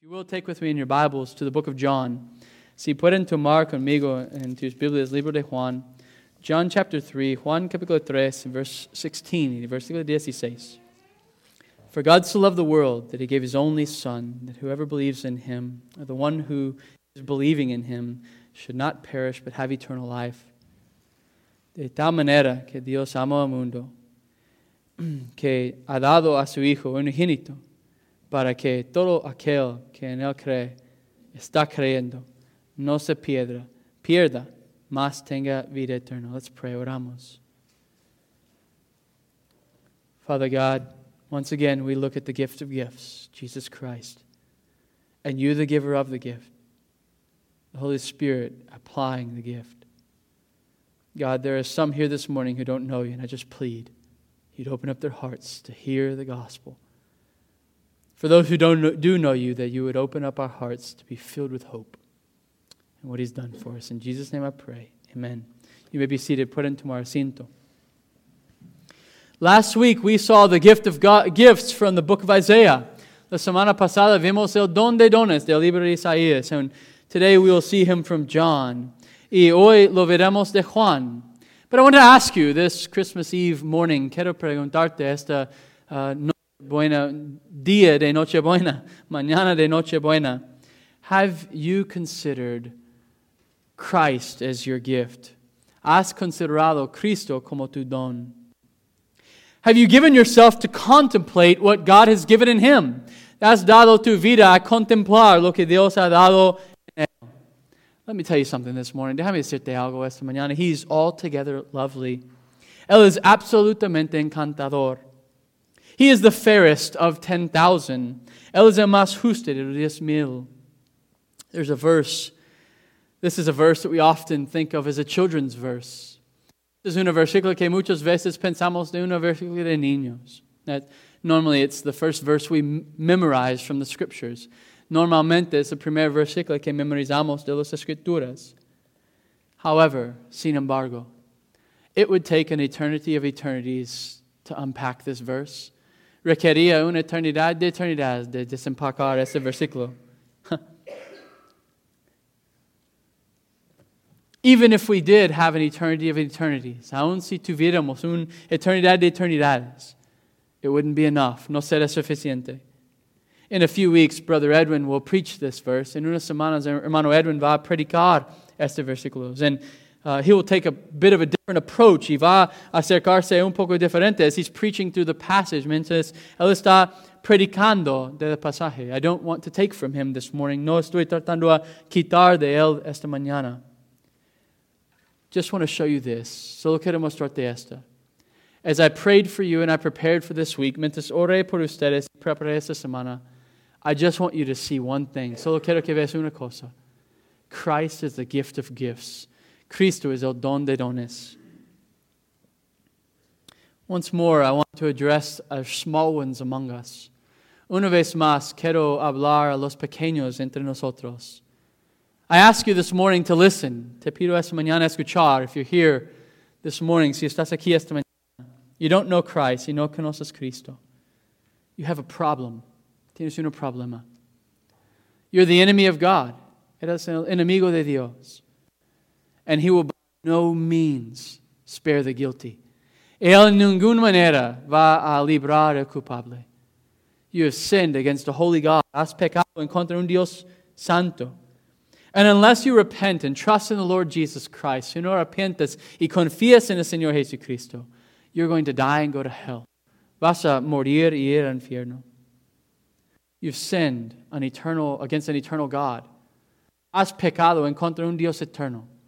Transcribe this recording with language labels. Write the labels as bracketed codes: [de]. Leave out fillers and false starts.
[en] You will take with me in your Bibles to the book of John. [es] Si pueden tomar conmigo en tus Biblias, libro de Juan. [en] John chapter 3, [es] Juan capítulo 3, [en] verse 16, [es] versículo 16. [en] For God so loved the world that he gave his only Son, that whoever believes in him, or the one who is believing in him, should not perish but have eternal life. [es] De tal manera que Dios amó al mundo, que ha dado a su Hijo unigénito, para que todo aquel que en él cree, está creyendo, no se pierda, mas tenga vida eterna. [en] Let's pray, [es] oramos. [en] Father God, once again we look at the gift of gifts, Jesus Christ, and you, the giver of the gift, the Holy Spirit applying the gift. God, there are some here this morning who don't know you, and I just plead you'd open up their hearts to hear the gospel. For those who do know you, that you would open up our hearts to be filled with hope and what he's done for us. In Jesus' name I pray. Amen. You may be seated. Put into our asiento. Last week we saw the gift of God, gifts from the book of Isaiah. [es] La semana pasada vimos el don de dones del libro de Isaías. [en] And today we will see him from John. [es] Y hoy lo veremos de Juan. [en] But I want to ask you this Christmas Eve morning, [es] quiero preguntarte esta Buena día de noche buena, mañana de noche buena. [en] Have you considered Christ as your gift? [es] ¿Has considerado Cristo como tu don? [en] Have you given yourself to contemplate what God has given in him? [es] ¿Has dado tu vida a contemplar lo que Dios ha dado en él? [en] Let me tell you something this morning. [es] Déjame decirte algo esta mañana. [en] He's altogether lovely. [es] Él es absolutamente encantador. [en] He is the fairest of 10,000. [es] Él es el más justo de 10,000. [en] There's a verse. This is a verse that we often think of as a children's verse. [es] Es un versículo que muchas veces pensamos de un versículo de niños. [en] That normally it's the first verse we memorize from the scriptures. [es] Normalmente es el primer versículo que memorizamos de las escrituras. [en] However, [es] sin embargo, [en] it would take an eternity of eternities to unpack this verse. [es] Requería una eternidad de eternidades de desempacar ese versículo. [en] Even if we did have an eternity of eternities, [es] aun si tuviéramos una eternidad de eternidades, [en] it wouldn't be enough, [es] no será suficiente. [en] In a few weeks, Brother Edwin will preach this verse. [es] En unas semanas, hermano Edwin va a predicar este versículo. [en] And he will take a bit of a different approach. [es] Y va a acercarse un poco diferente [en] as he's preaching through the passage. [es] Mientras él está predicando del pasaje. [en] I don't want to take from him this morning. [es] No estoy tratando a quitar de él esta mañana. [en] Just want to show you this. [es] Solo quiero mostrarte esta. [en] As I prayed for you and I prepared for this week, [es] mientras oré por ustedes y preparé esta semana, [en] I just want you to see one thing. [es] Solo quiero que veas una cosa. [en] Christ is the gift of gifts. [es] Cristo es el don de dones. [en] Once more, I want to address our small ones among us. [es] Una vez más, quiero hablar a los pequeños entre nosotros. [en] I ask you this morning to listen. [es] Te pido esta mañana escuchar. [en] If you're here this morning, [es] si estás aquí esta mañana, [en] you don't know Christ, [es] y no conoces Cristo. [en] You have a problem. [es] Tienes un problema. [en] You're the enemy of God. [es] Eres el enemigo de Dios. [en] And he will by no means spare the guilty. [es] Él en ninguna manera va a librar el culpable. [en] You have sinned against a holy God. [es] Has pecado en contra un Dios santo. [en] And unless you repent and trust in the Lord Jesus Christ, [es] si no arrepientes y confías en el Señor Jesucristo, [en] you're going to die and go to hell. [es] Vas a morir y ir al infierno. [en] You've sinned against an eternal God. [es] Has pecado en contra un Dios eterno.